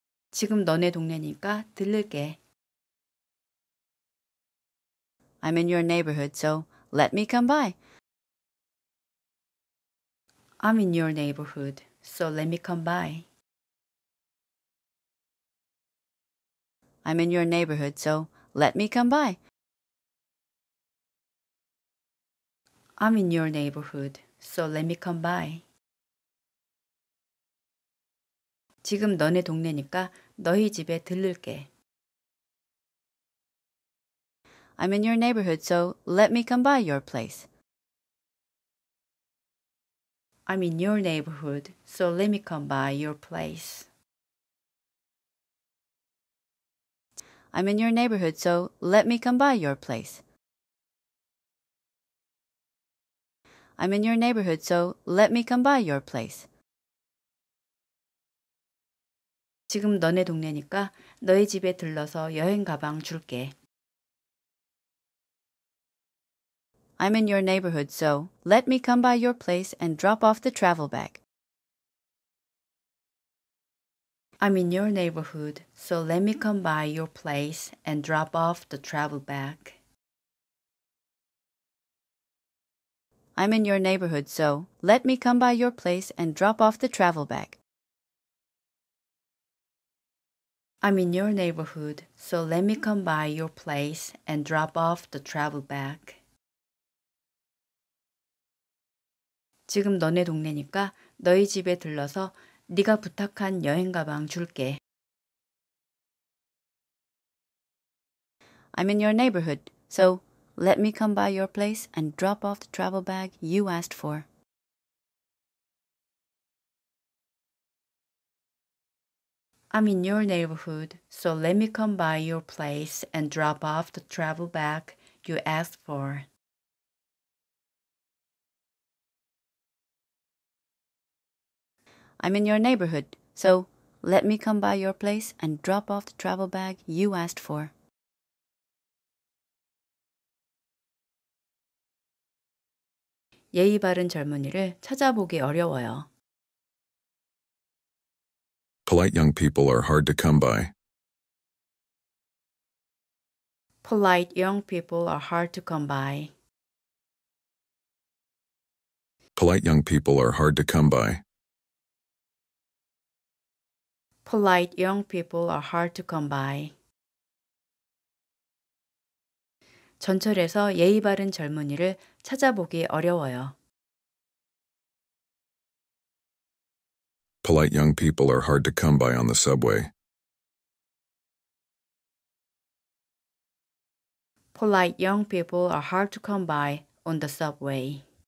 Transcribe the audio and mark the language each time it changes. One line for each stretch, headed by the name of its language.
Korean: 지금 너네 동네니까 들를게.
English: I'm in your neighborhood, so let me come by. I'm in your neighborhood, so let me come by. I'm in your neighborhood, so let me come by. I'm in your neighborhood, so let me come by.
Korean: 지금 너네 동네니까 너희 집에 들를게.
English: I'm in your neighborhood, so let me come by your place. I'm in your neighborhood, so let me come by your place. I'm in your neighborhood, so let me come by your place. I'm in your neighborhood, so let me come by your place.
Korean: 지금 너네 동네니까 너희 집에 들러서 여행 가방 줄게.
English: I'm in your neighborhood, so let me come by your place and drop off the travel bag. I'm in your neighborhood, so let me come by your place and drop off the travel bag. I'm in your neighborhood, so let me come by your place and drop off the travel bag. I'm in your neighborhood, so let me come by your place and drop off the travel bag.
Korean: 지금 너네 동네니까 너희 집에 들러서 네가 부탁한 여행 가방 줄게.
English: I'm in your neighborhood, so let me come by your place and drop off the travel bag you asked for. I'm in your neighborhood, so let me come by your place and drop off the travel bag you asked for. I'm in your neighborhood, so let me come by your place and drop off the travel bag you asked for.
Korean: 예의 바른 젊은이를 찾아보기 어려워요.
English: Polite young people are hard to come by. Polite young people are hard to come by. Polite young people are hard to come by. Polite young people are hard to come by.
Korean: 전철에서 예의 바른 젊은이를 찾아보기 어려워요.
English: Polite young people are hard to come by on the subway. Polite young people are hard to come by on the subway.